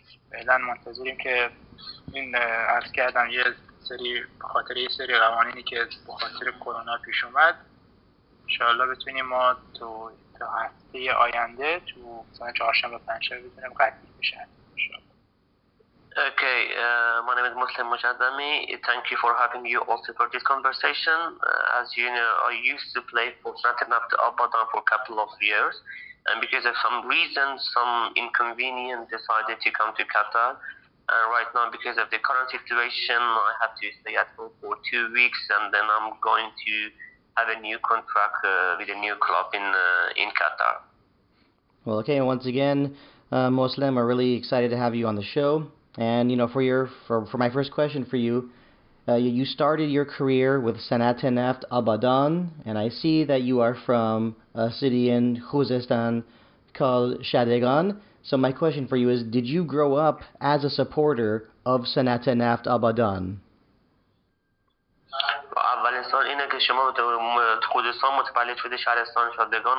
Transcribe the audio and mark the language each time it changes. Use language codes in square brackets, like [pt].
[fa] فعلا منتظریم که این عرض کردم یه سری بخاطر یه سری قوانینی که بخاطر کرونا پیش اومد انشاءالله بتونیم ما تو تا هفته آینده تو مثلا چهارشنبه پنجشنبه بتونیم قطعی بشه [en] Okay, my name is Moslem Mojadami. Thank you for having you also for this conversation. As you know, I used to play for Sanat Naft Abadan for a couple of years. And because of some reason, some inconvenience, decided to come to Qatar. And right now, because of the current situation, I have to stay at home for 2 weeks, and then I'm going to have a new contract with a new club in Qatar. Well, okay, and once again, Moslem, I'm really excited to have you on the show. And, you know, for my first question for you, you started your career with Sanat Naft Abadan, and I see that you are from a city in Khuzestan called Shadegan. So my question for you is, did you grow up as a supporter of Sanat Naft Abadan? [fa] اولین سال اینه که شما خوزستان متولد شده شهرستان شادگان.